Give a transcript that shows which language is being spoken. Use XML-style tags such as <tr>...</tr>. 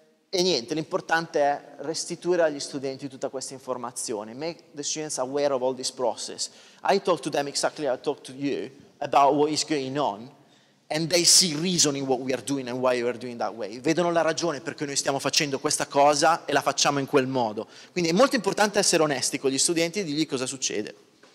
<it>E niente, l'importante è restituire agli studenti tutta questa informazione.</it> <en>Make the students aware of all this process. I talk to them exactly as I talk to you about what is going on. And they see reason in what we are doing and why we are doing that way.</en> <it>Vedono la ragione perché noi stiamo facendo questa cosa e la facciamo in quel modo. Quindi è molto importante essere onesti con gli studenti e dirgli cosa succede.</it>